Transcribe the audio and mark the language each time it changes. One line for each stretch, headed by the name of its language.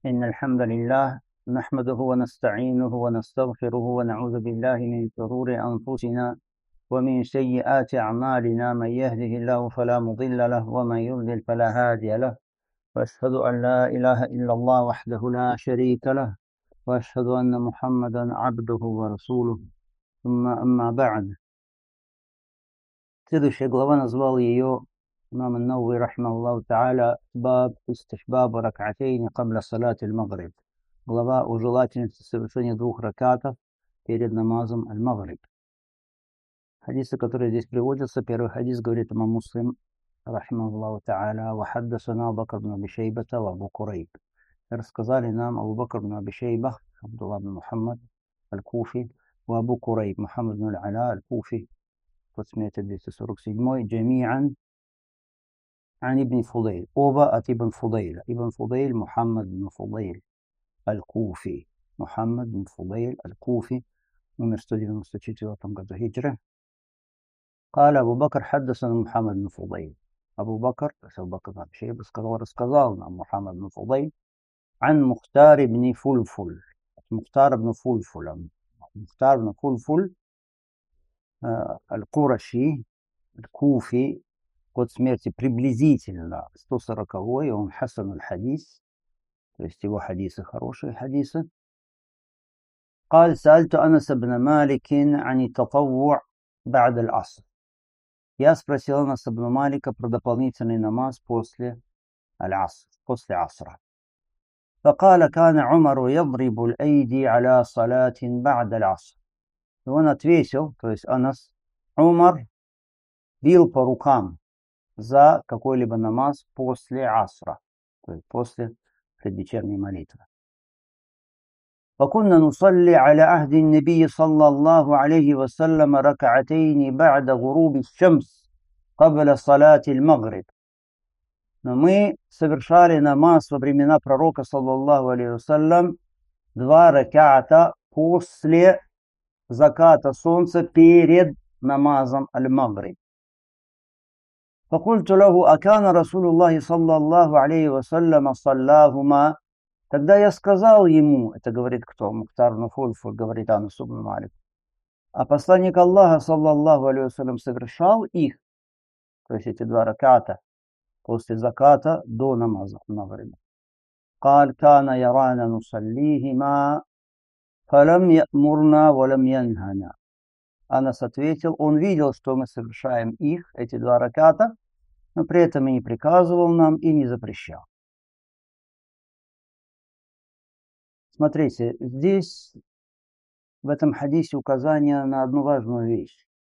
Arabic: إن الحمد لله نحمده ونستعينه ونستغفره ونعوذ بالله من شرور أنفسنا ومن سيئات أعمالنا، من يهده الله فلا مضل له ومن يضلل فلا هادي له، وأشهد أن لا إله إلا الله وحده لا شريك له، وأشهد أن محمدا عبده ورسوله. ثم أما بعد،
Russian: следующая глава назвал ее
Arabic: إمام النووي رحمه الله تعالى باب استحباب ركعتين قبل صلاة المغرب.
Russian: Глава о желательности совершения двух ракатов перед намазом аль-Магриб. Хадисы, которые здесь приводятся, первый хадис говорит имам Муслим
Arabic: رحمه الله تعالى وحدثنا أبو بكر بن أبي شيبة وأبو كريب.
Russian: Рассказали нам Абу Бакр ибн Аби Шейба, Абдулла ибн Мухаммад аль-Куфи, и Абу Курайб, Мухаммад ибн Аля аль-Куфи, 1247-й,
Arabic: جميعًا عن ابن فضيل.
Russian: Оба от ابن فضيل.
Arabic: ابن فضيل محمد بن فضيل الكوفي. محمد بن فضيل الكوفي. عمر 194
Russian: году
Arabic: هجرة. قال أبو بكر حدثنا محمد بن فضيل. أبو بكر أبو بكر بن أبي شيبة رسكزالنا محمد بن فضيل عن مختار بن فلفل. مختار بن فلفل. مختار بن فلفل القرشي الكوفي.
Russian: Год смерти приблизительно 140-й, он Хасан аль-Хадис, то есть его хадисы хорошие хадисы.
Arabic: قال سألت أنس بن مالك عن التطوع بعد العصر.
Russian: Я спросил Анаса ибн Малика про дополнительный намаз после аль-Аср, после Аср.
Arabic: فقال كان عمر يضرب الأيدي على صلاة بعد العصر.
Russian: И он ответил, то есть Анас, Умар бил по рукам за какой-либо намаз после асра, то есть после предвечерней молитвы.
Arabic: وكنا نصلي على عهد النبي صلى الله عليه وسلم ركعتين بعد غروب الشمس قبل صلاة المغرب.
Russian: Но мы совершали намаз во времена пророка
Arabic: صلى الله عليه وسلم
Russian: два ракаата после заката солнца перед намазом аль-Магриб.
Arabic: فقلت له أكان رسول الله صلى الله عليه وسلم صلاهما.
Russian: Тогда я сказал ему, это говорит кто? Мухтар ибн Фулфул говорит Анасу ибн Малику. А посланник Аллаха
Arabic: صلى الله عليه وسلم
Russian: совершал их, то есть эти два раката, после заката до намаза на время.
Arabic: قال كان يرانا نصليهما فلم يأمرنا ولم ينهانا.
Russian: Анас ответил, он видел, что мы совершаем их, эти два раката, но при этом и не приказывал нам, и не запрещал. Смотрите, здесь, в этом хадисе, указание на одну важную вещь.